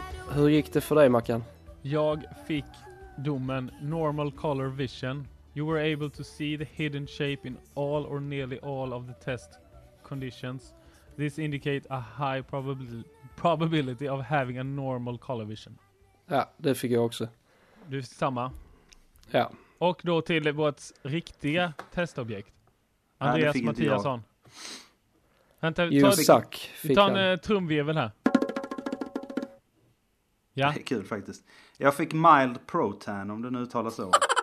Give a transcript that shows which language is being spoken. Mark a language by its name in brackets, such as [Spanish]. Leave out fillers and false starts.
[Swedish] Hur gick det för dig, Mackan? Jag fick domen [English] normal color vision. You were able to see the hidden shape in all or nearly all of the test conditions. This indicates a high probability of having a normal color vision. [Swedish] Ja, det fick jag också. Du fick samma. Ja. Och då till vårt riktiga testobjekt. Andreas Mattiasson. Vänta, ta en trumvirvel här. Ja. Det är kul faktiskt. Jag fick mild protan, om du nu talar så.